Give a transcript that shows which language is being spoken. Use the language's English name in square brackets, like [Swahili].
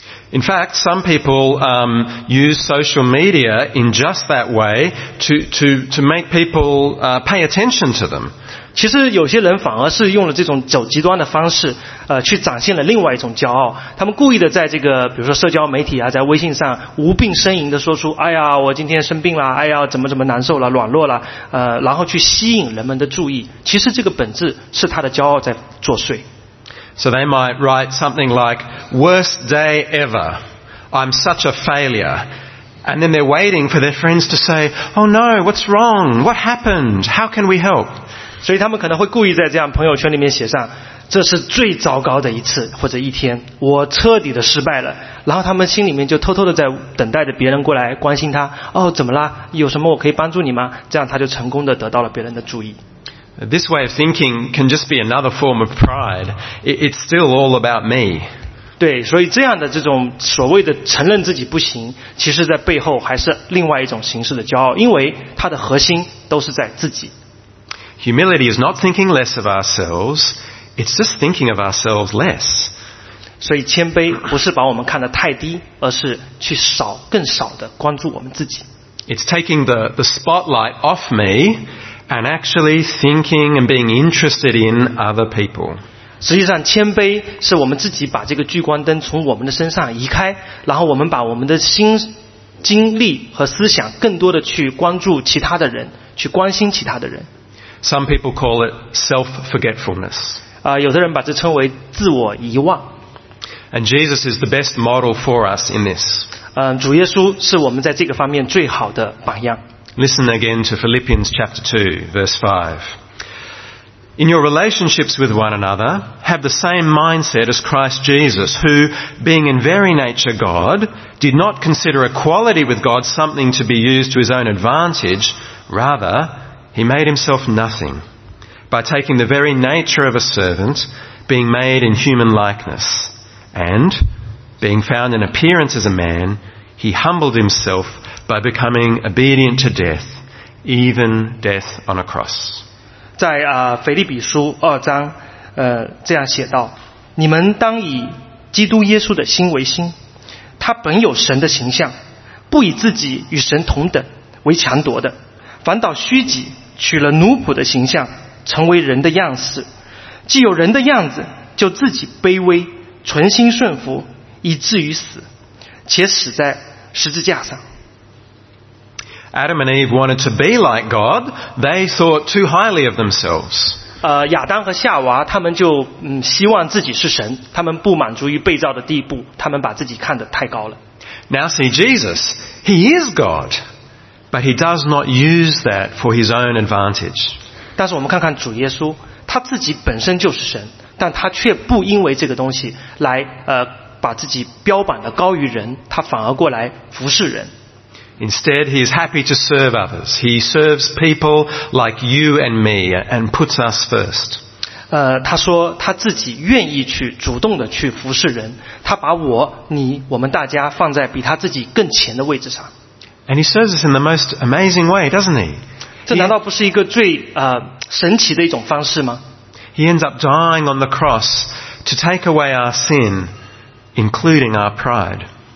[English] In fact, some people use social media in just that way to make people pay attention to them. [Chinese] 其实有些人反而是用了这种走极端的方式，去展现了另外一种骄傲。他们故意的在这个，比如说社交媒体啊，在微信上无病呻吟的说出，哎呀，我今天生病了，哎呀，怎么怎么难受了，软弱了，然后去吸引人们的注意。其实这个本质是他的骄傲在作祟。 [English] So they might write something like, worst day ever, I'm such a failure. And then they're waiting for their friends to say, oh no, what's wrong? What happened? How can we help? [Chinese] 所以他们可能会故意在这样朋友圈里面写上，这是最糟糕的一次或者一天，我彻底的失败了。然后他们心里面就偷偷的在等待着别人过来关心他，哦，怎么啦？有什么我可以帮助你吗？这样他就成功的得到了别人的注意。 [English] This way of thinking can just be another form of pride. It's still all about me. [Chinese] 对，所以这样的这种所谓的承认自己不行，其实在背后还是另外一种形式的骄傲，因为它的核心都是在自己。 [English] Humility is not thinking less of ourselves. It's just thinking of ourselves less. [Chinese] 所以谦卑不是把我们看得太低，而是去少更少的关注我们自己。 [English] It's taking the spotlight off me. And actually thinking and being interested in other people. [Chinese] 实际上谦卑是我们自己把这个聚光灯从我们的身上移开，然后我们把我们的心精力和思想更多的去关注其他的人，去关心其他的人。 [English] Some people call it self-forgetfulness. [Chinese] 有的人把这称为自我遗忘。 [English] And Jesus is the best model for us in this. [Chinese] 主耶稣是我们在这个方面最好的榜样。 [English] Listen again to Philippians chapter 2, verse 5. In your relationships with one another, have the same mindset as Christ Jesus, who, being in very nature God, did not consider equality with God something to be used to his own advantage. Rather, he made himself nothing by taking the very nature of a servant, being made in human likeness. And, being found in appearance as a man, he humbled himself. By becoming obedient to death, even death on a cross. [Chinese] 在腓立比书二章，这样写道：你们当以基督耶稣的心为心，他本有神的形象，不以自己与神同等为强夺的，反倒虚己，取了奴仆的形象，成为人的样式。既有人的样子，就自己卑微，存心顺服，以至于死，且死在十字架上。 [English] Adam and Eve wanted to be like God. They thought too highly of themselves. [Chinese] 亚当和夏娃他们就希望自己是神，他们不满足于被造的地步，他们把自己看得太高了。 [English] Now see Jesus. He is God, but he does not use that for his own advantage. [Chinese] 但是我们看看主耶稣，他自己本身就是神，但他却不因为这个东西来把自己标榜的高于人，他反而过来服侍人。 [English] Instead, he is happy to serve others. He serves people like you and me and puts us first. [Chinese] 他说他自己愿意去主动的去服侍人，他把我、你、我们大家放在比他自己更前的位置上。 [English] And he serves us in the most amazing way, doesn't he? [Chinese] 这难道不是一个最神奇的一种方式吗？ [English] He ends up dying on the cross to take away our sin, including our pride.